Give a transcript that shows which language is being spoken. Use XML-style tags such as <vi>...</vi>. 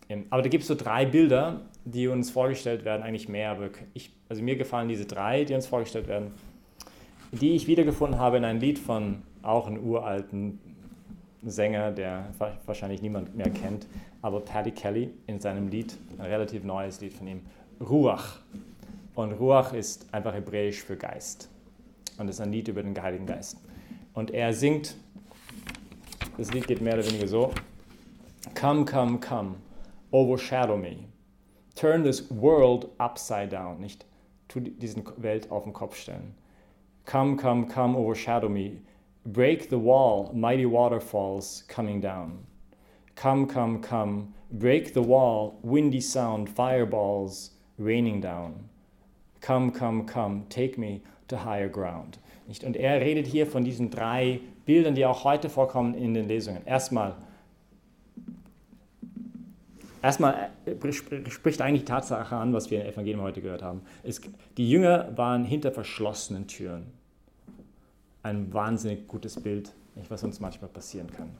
<de>Aber da gibt es so drei Bilder, die uns vorgestellt werden, eigentlich mehr, aber mir gefallen diese drei, die uns vorgestellt werden, die ich wiedergefunden habe in einem Lied von auch einem uralten Sänger, der wahrscheinlich niemand mehr kennt, aber Paddy Kelly in seinem Lied, ein relativ neues Lied von ihm, Ruach. Und Ruach ist einfach hebräisch für Geist. Und es ist ein Lied über den Heiligen Geist. Und er singt, das Lied geht mehr oder weniger so:</de> <en>Come, come, come, overshadow me. Turn this world upside down.</en> <de>Nicht tu diesen Welt auf den Kopf stellen.</de> <en>Come, come, come, overshadow me. Break the wall, mighty waterfalls coming down. Come, come, come, break the wall, windy sound, fireballs raining down. Come, come, come, take me to higher ground.</en> <de>Nicht? Und er redet hier von diesen drei Bildern, die auch heute vorkommen in den Lesungen. Erstmal spricht eigentlich die Tatsache an, was wir im Evangelium heute gehört haben. Die Jünger waren hinter verschlossenen Türen. Ein wahnsinnig gutes Bild, nicht, was uns manchmal passieren kann.</de>